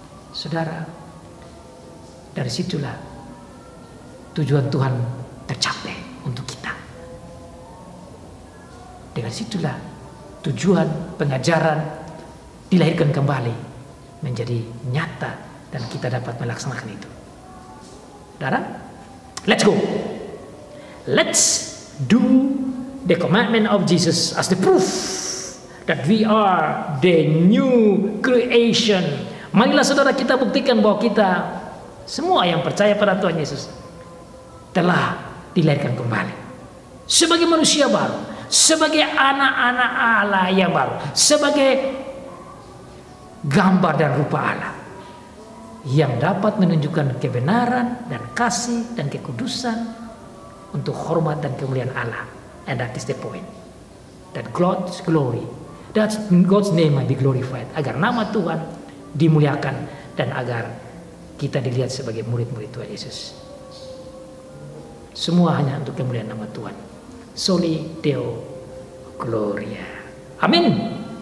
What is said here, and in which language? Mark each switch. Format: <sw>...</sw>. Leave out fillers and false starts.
<id>Saudara, dari situlah tujuan Tuhan tercapai untuk kita. Dari situlah tujuan pengajaran dilahirkan kembali menjadi nyata dan kita dapat melaksanakan itu.</id> <en>Saudara, let's go. Let's do the commandment of Jesus as the proof that we are the new creation.</en> <id>Marilah saudara kita buktikan bahwa kita semua yang percaya pada Tuhan Yesus telah dilahirkan kembali sebagai manusia baru, sebagai anak-anak Allah yang baru, sebagai gambar dan rupa Allah. yang dapat menunjukkan kebenaran dan kasih dan kekudusan untuk hormat dan kemuliaan Allah.</id> <en>And that is the point. That God's glory, that God's name may be glorified.</en> <id>Agar nama Tuhan dimuliakan dan agar kita dilihat sebagai murid-murid Tuhan Yesus. Semua hanya untuk kemuliaan nama Tuhan.</id> <la>Soli Deo Gloria.</la> <id>Amin.</id>